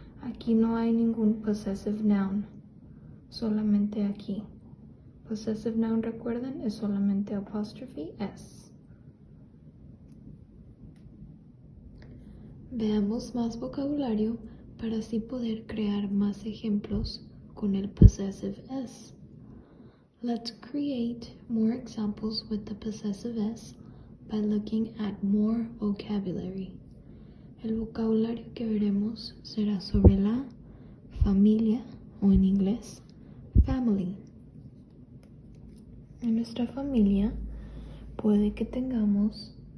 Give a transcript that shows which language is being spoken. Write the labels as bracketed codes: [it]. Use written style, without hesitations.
[es] Aquí no hay ningún possessive noun, solamente aquí. Possessive noun, recuerden, es solamente apostrophe S. Veamos más vocabulario para así poder crear más ejemplos con el possessive S. [en] Let's create more examples with the possessive S by looking at more vocabulary. [es] El vocabulario que veremos será sobre la familia, o en inglés, family. En nuestra familia puede que tengamos